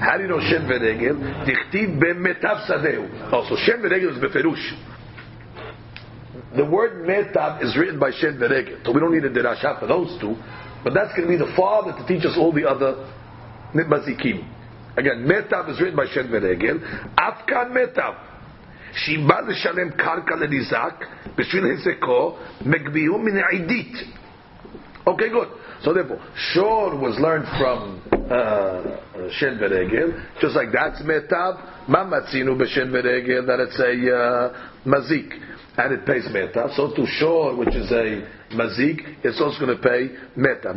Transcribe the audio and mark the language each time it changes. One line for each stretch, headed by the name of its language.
English: How do you know Shen Veregel?
Hebrew: Dichtiv be mitav sadehu.
English: Also, Shen Veregel is beferush. The word mitav is written by Shen Veregel. So we don't need a derasha for those two. But that's going to be the father to teach us all the other mazikim. Again, mitav is written by Shen Veregel.
Hebrew: Afkan mitav. שיבא לשלם קרקע לניזק בשביל היזקו מגביהו מן העידית.
English: Okay, good. So therefore, Shor was learned from Shin Beregel, just like that's Metav,
Hebrew: Mamatzinu B'Shin Beregel,
English: that it's a Mazik, and it pays Metav. So to Shor, which is a Mazik, it's also going to pay Metav.